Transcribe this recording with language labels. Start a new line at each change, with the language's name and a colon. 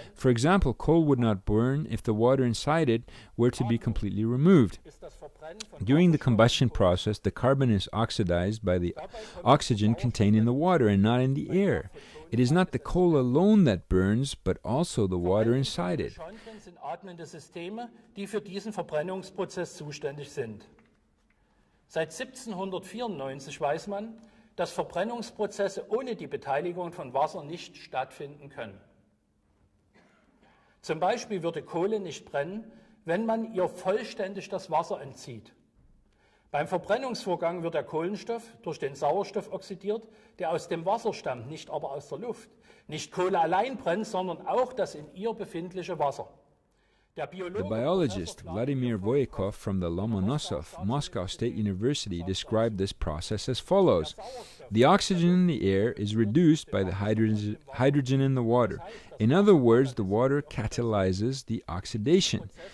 English: For example, coal would not burn if the water inside it were to be completely removed. During the combustion process, the carbon is oxidized by the oxygen contained in the water and not in the air. It is not the coal alone that burns, but also the water inside it.
German: Atmende Systeme, die für diesen Verbrennungsprozess zuständig sind. Seit 1794 weiß man, dass Verbrennungsprozesse ohne die Beteiligung von Wasser nicht stattfinden können. Zum Beispiel würde Kohle nicht brennen, wenn man ihr vollständig das Wasser entzieht. Beim Verbrennungsvorgang wird der Kohlenstoff durch den Sauerstoff oxidiert, der aus dem Wasser stammt, nicht aber aus der Luft. Nicht Kohle allein brennt, sondern auch das in ihr befindliche Wasser.
English: The biologist Vladimir Voyakov from the Lomonosov, Moscow State University, described this process as follows. The oxygen in the air is reduced by the hydrogen in the water. In other words, the water catalyzes the oxidation.